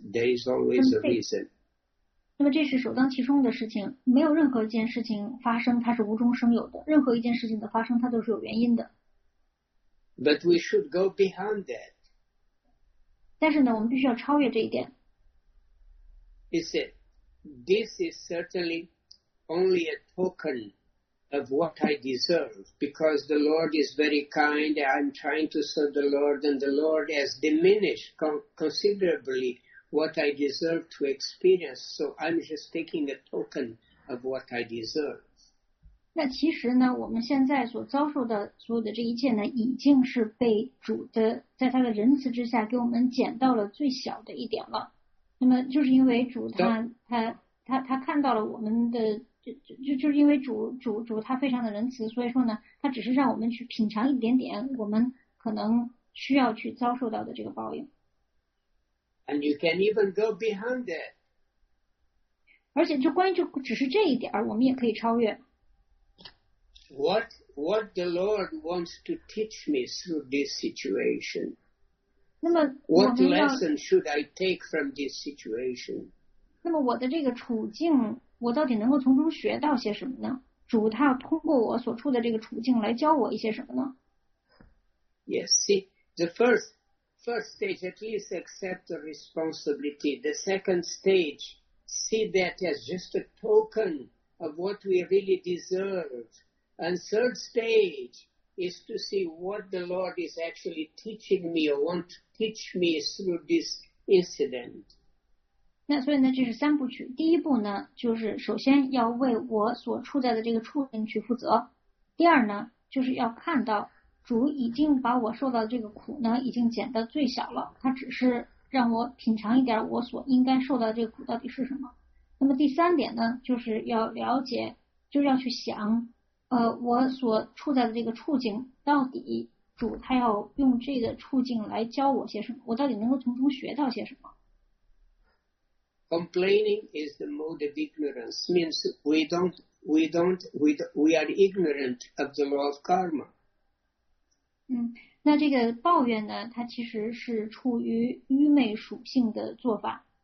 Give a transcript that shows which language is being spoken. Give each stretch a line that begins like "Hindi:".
English: There is always a reason.
Chinese: 那么这是首当其冲的事情，没有任何一件事情发生它是无中生有的，任何一件事情的发生它都是有原因的。
English: But we should go beyond that.
Chinese: 但是呢，我们必须要超越这一点。
English: He said, "This is certainly only a token of what I deserve, because the Lord is very kind, I'm trying to serve the Lord, and the Lord has diminished considerably what I deserve to experience, so I'm just taking a token of what I deserve."
Chinese: 那其实呢，我们现在所遭受的所有的这一切呢，已经是被主的在他的仁慈之下给我们减到了最小的一点了。那么就是因为主他他看到了我们的就是因为主他非常的仁慈，所以说呢，他只是让我们去品尝一点点我们可能需要去遭受到的这个报应。
English: And you can even go beyond that.
Chinese: 而且就关于就只是这一点，我们也可以超越。
English: What the Lord wants to teach me through this situation?
Chinese: 那么
English: What lesson should I take from this situation?
Chinese: 那么我的这个处境，我到底能够从中学到些什么呢？主他要通过我所处的这个处境来教我一些什么呢？
English: Yes, see, the first stage, at least accept the responsibility. The second stage, see that as just a token of what we really deserve. And third stage is to see what the Lord is actually teaching me or want to teach me through this incident.
Chinese: 那所以呢，这是三部曲。第一步呢，就是首先要为我所处在的这个处境去负责。第二呢，就是要看到主已经把我受到的这个苦呢，已经减到最小了。他只是让我品尝一点我所应该受到的这个苦到底是什么。那么第三点呢，就是要了解，就是要去想。我所处在的这个处境，到底主他要用这个处境来教我些什么？我到底能够从中学到些什么
English: ？Complaining is the mode of ignorance. Means we are ignorant of the law of karma.
Chinese: 嗯，那这个抱怨呢，它其实是处于愚昧属性的做法。